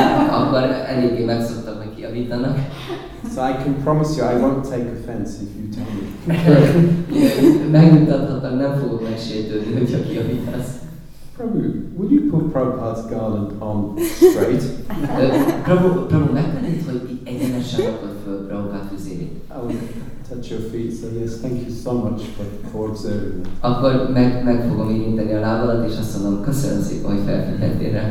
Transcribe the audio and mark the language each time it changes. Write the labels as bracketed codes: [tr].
[hu] Akkor eléggé megszoktam, hogy kiavítanak. [en] So I can promise you, I won't take offense if you tell me. [hu] Megmutathatom, nem fogok megsértődni, hogyha kiavítasz. [en] Prabhu, would you put Prabhupada's garland on straight? [hu] Prabhu, megtennéd, hogy egyenesen rakod föl Prabhupada füzérét? [en] I would touch your feet, so yes, thank you so much for observing it. [hu] Akkor meg fogom érinteni a lábadat, és azt mondom, köszönöm szépen, hogy felfigyeltél rá.